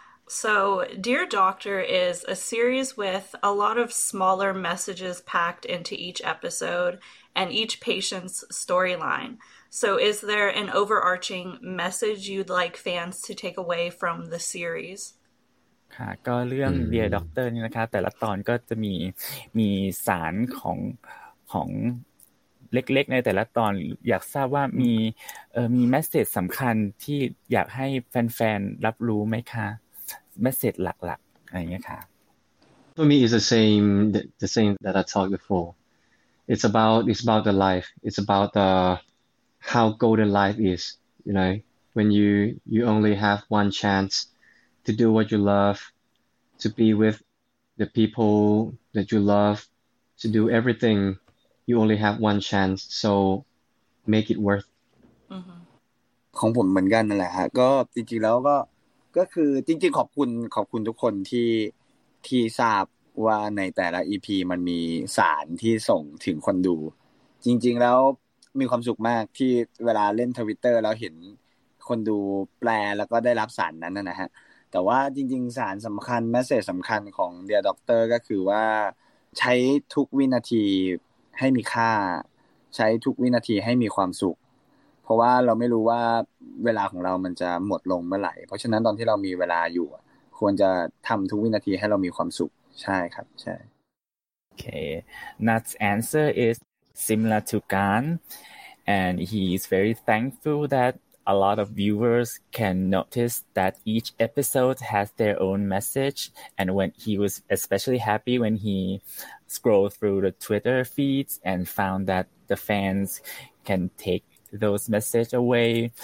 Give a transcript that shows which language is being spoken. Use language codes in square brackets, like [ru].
[en] So Dear Doctor is a series with a lot of smaller messages packed into each episode and each patient's storyline. So is there an overarching message you'd like fans to take away from the series? [th] ก็เรื่อง Dear Doctor นี่นะคะแต่ละตอนก็จะมีสารของเล็กๆในแต่ละตอนอยากทราบว่ามีเมสเสจสำคัญที่อยากให้แฟนๆรับรู้ไหมคะเมสเสจหลักๆอะไรเงี้ยค่ะ [en] For me is the same that I talked before. It's about the life. It's about the how golden life is, you know, when you only have one chanceto do what you love, to be with the people that you love, to do everything, you only have one chance, so make it worth. [th] ของผมเหมือนกันนั่นแหละฮะก็จริงๆแล้วก็คือจริงๆขอบคุณทุกคนที่ทราบว่าในแต่ละ EP มันมีสารที่ส่งถึงคนดูจริงๆแล้วมีความสุขมากที่เวลาเล่น Twitter แล้วเห็นคนดูแปลแล้วก็ได้รับสารนั้นนะฮะแต่ว่าจริงๆสารสำคัญแมสเสจสำคัญของ Dear Doctor ก็คือว่าใช้ทุกวินาทีให้มีค่า ใช้ทุกวินาทีให้มีความสุขเพราะว่าเราไม่รู้ว่าเวลาของเรามันจะหมดลงเมื่อไหร่เพราะฉะนั้นตอนที่เรามีเวลาอยู่ควรจะทำทุกวินาทีให้เรามีความสุขใช่ครับใช่ [en] Okay, Nat's answer is similar to Gan and he is very thankful that a lot of viewers can notice that each episode has their own message. And when he was especially happy when he scrolled through the Twitter feeds and found that the fans can take those messages away.